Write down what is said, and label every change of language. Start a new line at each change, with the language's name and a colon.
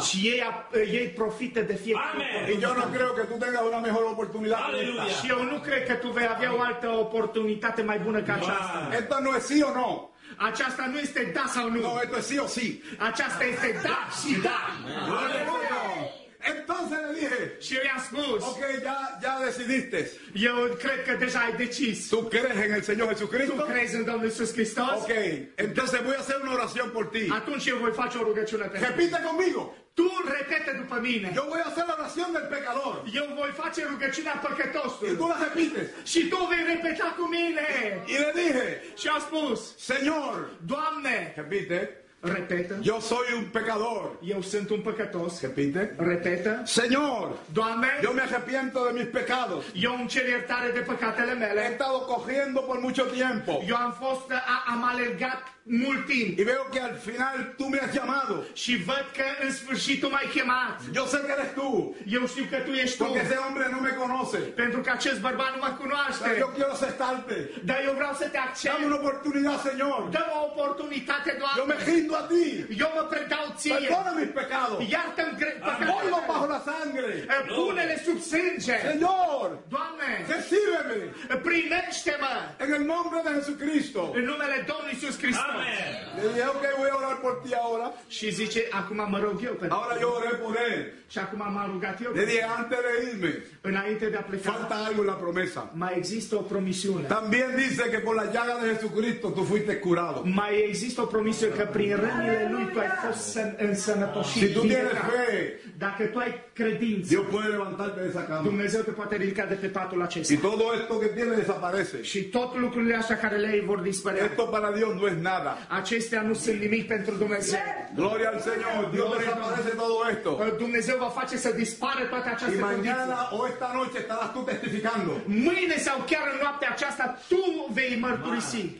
Romanian: Și ei profită de fiecare. Amen.
Spanish: Y yo no creo que tú tengas una mejor oportunidad.
Romanian: Și eu nu cred că tu vei avea o altă oportunitate mai bună ca aceasta.
Spanish: Esto no es sí o no.
Romanian: Aceasta nu este da sau nu.
Spanish: No, esto es sí o sí.
Romanian: Aceasta este da și da.
Spanish: Aleluia. Entonces le dije.
Romanian: Și eu i-am spus.
Spanish: Ok, ya decidiste.
Romanian: Eu cred că deja ai decis. Tu crezi în el Señor Jesucristo? Tu crezi în Domnul Iisus Hristos?
Spanish: Ok, entonces voy a hacer una oración por ti.
Romanian: Atunci eu voi face o rugăciune pentru.
Spanish: Repite conmigo.
Romanian: Tu repete după mine.
Spanish: Yo voy a hacer la oración del pecador.
Romanian: Eu voi face rugăciunea păcătosului.
Spanish: Y tú la repites.
Romanian: Și tu vei repeta cu mine.
Spanish: Y le dije.
Romanian: Și am spus.
Spanish: Señor.
Romanian: Doamne.
Spanish: Repite.
Romanian: Repeta.
Spanish: Yo soy un pecador.
Romanian: Eu sunt un păcătos.
Spanish: Repite.
Romanian: Repeta.
Spanish: Señor.
Romanian: Doamne.
Spanish: Yo me arrepiento de mis pecados.
Romanian: Eu îmi cer iertare de păcatele mele.
Spanish: He estado corriendo por mucho tiempo.
Romanian: Eu am fost amalergat. Multim.
Spanish: Y veo que al final tú me has llamado.
Romanian: Și văd că în sfârșit tu m-ai chemat.
Spanish: Yo sé que eres tú.
Romanian: Eu știu că tu ești tu.
Spanish: Porque ese hombre no me conoce.
Romanian: Pentru că acest bărbat nu mă cunoaște. Dar eu
Spanish: quiero aceptarte.
Romanian: Dar eu vreau să te accept.
Spanish: Dame una oportunidad, Señor.
Romanian: Dă-mi o oportunitate, Doamne.
Spanish: Yo me rindo a ti.
Romanian: Eu mă predau ție.
Spanish: Perdona mis pecados.
Romanian: Iartă-mi păcatele.
Spanish: Vuelvo bajo la sangre.
Romanian: Pune-le sub sânge.
Spanish: Señor.
Romanian: Doamne.
Spanish: Recíbeme.
Romanian: Primește-mă.
Spanish: En el nombre de Jesucristo.
Romanian: În numele Domnului Iisus Hristos. Amen.
Spanish: Le dije, ok, voy a orar por ti ahora.
Romanian: Și zice, acum mă rog eu pentru.
Spanish: Ahora yo oré por él.
Romanian: Și acum m-am rugat eu.
Spanish: Le dije, antes de irme.
Romanian: Înainte de a pleca.
Spanish: Falta algo en la promesa.
Romanian: Mai există o promisiune.
Spanish: También dice que por la llaga de Jesucristo tú fuiste curado.
Romanian: Mai există o promisiune că prin rănile lui tu ai fost însănătoșit.
Spanish: Si tú tienes fe.
Romanian: Dacă tu ai credință.
Spanish: Dios puede levantarte de esa cama.
Romanian: Dumnezeu te poate ridica de pe patul acesta.
Spanish: Y todo esto que tiene desaparece.
Romanian: Și tot lucrurile astea care le ai vor dispărea.
Spanish: Esto para Dios no es nada.
Romanian: Acestea nu sunt nimic pentru Dumnezeu.
Spanish: Gloria al Señor. Dios desaparece todo esto.
Romanian: Dumnezeu va face să dispare toate aceste condiții.
Spanish: Mañana o esta noche estarás tú testificando.
Romanian: Mâine sau chiar în noaptea aceasta tu vei mărturisi.